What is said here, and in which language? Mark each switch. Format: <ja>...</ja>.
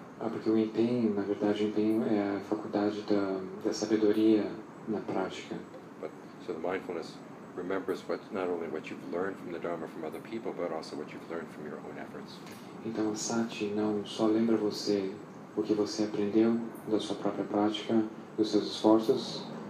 <pt>Porque o empenho, na verdade, o empenho é a faculdade da sabedoria na prática.</pt> <en>So the mindfulness remembers what, not only what you've learned from the Dharma from other people, but also what you've learned from your own efforts.</en> <pt>Então a sati não só lembra você o que você aprendeu da sua própria prática, dos seus esforços.</pt>